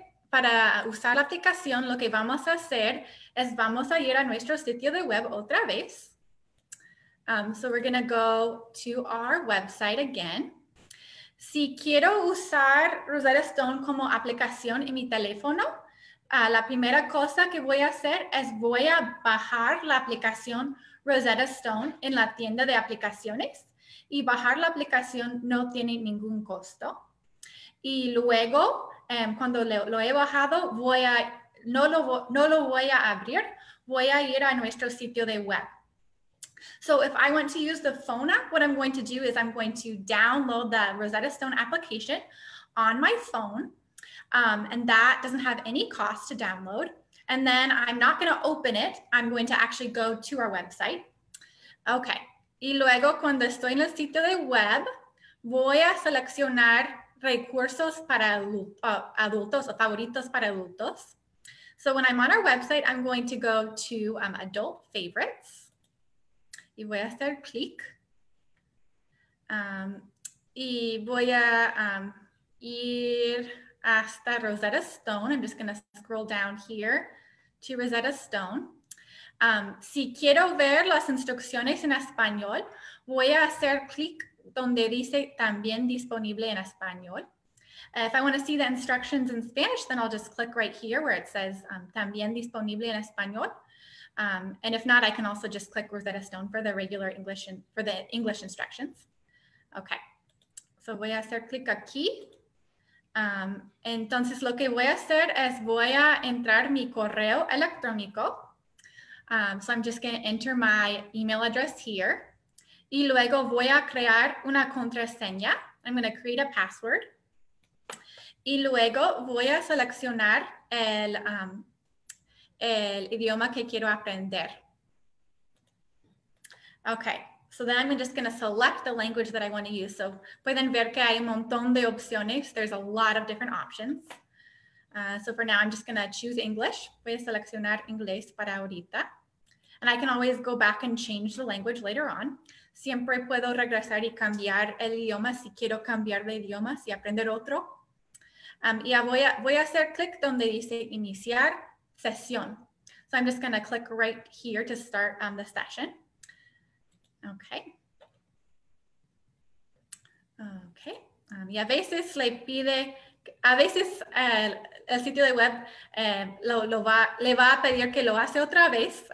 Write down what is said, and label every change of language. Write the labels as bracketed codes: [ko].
[es] Para usar la aplicación, lo que vamos a hacer es vamos a ir a nuestro sitio de web otra vez. [en] So we're going to go to our website again. [es] Si quiero usar Rosetta Stone como aplicación en mi teléfono, la primera cosa que voy a hacer es voy a bajar la aplicación Rosetta Stone en la tienda de aplicaciones, y bajar la aplicación no tiene ningún costo. Y luego, cuando lo he bajado, no lo voy a abrir, voy a ir a nuestro sitio de web. [en] So if I want to use the phone app, what I'm going to do is I'm going to download the Rosetta Stone application on my phone, and that doesn't have any cost to download. And then I'm not going to open it, I'm going to actually go to our website. [es] Okay, y luego cuando estoy en el sitio de web, voy a seleccionar recursos para adultos o favoritos para adultos. [en] So when I'm on our website, I'm going to go to adult favorites. [es] Y voy a hacer clic. Y voy a ir hasta Rosetta Stone. [en] I'm just going to scroll down here to Rosetta Stone. [es] Si quiero ver las instrucciones en español, voy a hacer clic donde dice también disponible en español. [en] If I want to see the instructions in Spanish, then I'll just click right here where it says [es] también disponible en español. [en] And if not, I can also just click Rosetta Stone for the regular English and for the English instructions. [es] Okay, so voy a hacer clic aquí. Entonces lo que voy a hacer es voy a entrar mi correo electrónico. [en] So I'm just going to enter my email address here. [es] Y luego voy a crear una contraseña. [en] I'm going to create a password. [es] Y luego voy a seleccionar el idioma que quiero aprender. [en] Okay, so then I'm just going to select the language that I want to use. [es] So pueden ver que hay un montón de opciones. [en] There's a lot of different options. So for now, I'm just going to choose English. [es] Voy a seleccionar inglés para ahorita. [en] And I can always go back and change the language later on. [es] Siempre puedo regresar y cambiar el idioma si quiero cambiar de idioma, si aprender otro. Y voy a hacer clic donde dice iniciar sesión. [en] So I'm just going to click right here to start the session. Okay. Okay. [es] Y a veces le pide, a veces el sitio de web le va a pedir que lo hace otra vez.